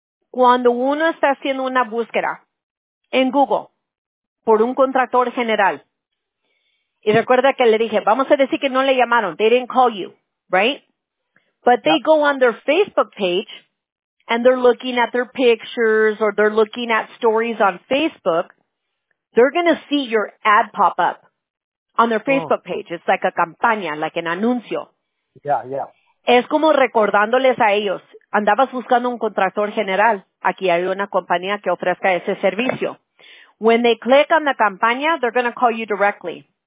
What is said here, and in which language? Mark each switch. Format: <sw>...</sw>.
<es>Cuando uno está haciendo una búsqueda en Google por un contractor general, y recuerda que le dije, vamos a decir que no le llamaron.</es> <en>They didn't call you, right? But they go on their Facebook page, and they're looking at their pictures, or they're looking at stories on Facebook. They're going to see your ad pop up on their Facebook page. It's like a campaña, like an anuncio. Yeah, yeah.</en> <es>Es como recordándoles a ellos, andabas buscando un contractor general. Aquí hay una compañía que ofrezca ese servicio.</es> <en>When they click on the campaña, they're going to call you directly.</en>